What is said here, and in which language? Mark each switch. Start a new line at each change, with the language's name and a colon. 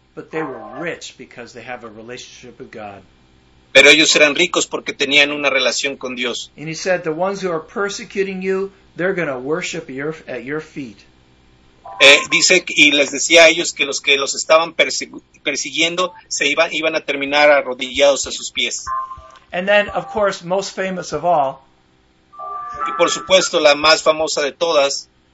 English: But they were rich because they have a relationship with God.
Spanish: Pero ellos eran ricos porque tenían una relación con Dios.
English: And he said, the ones who are persecuting you, they're going to worship at your feet.
Spanish: Dice y les decía a ellos que los estaban persiguiendo se iban a terminar arrodillados a sus pies.
English: And then, of course, most famous of all,
Spanish: y por supuesto la más famosa de todas